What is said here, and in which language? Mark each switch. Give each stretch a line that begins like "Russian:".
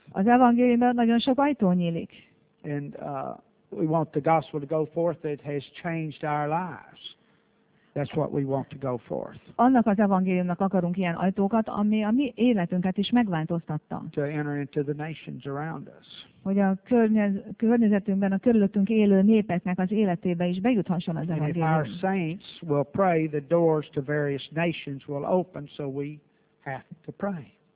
Hungarian: Az evangéliumban nagyon sok ajtó nyílik.
English: And we want the gospel to go forth that has changed our lives. That's what we want to go forth.
Hungarian: Annak az evangéliumnak akarunk ilyen ajtókat, ami a mi életünket is megváltoztatta.
English: To enter into the nations around us.
Hungarian: Hogy a környezetünkben, a körülöttünk élő népeknek az életébe is bejuthasson az evangélium.
English: And if our saints will pray, the doors to various nations will open, so we have to pray.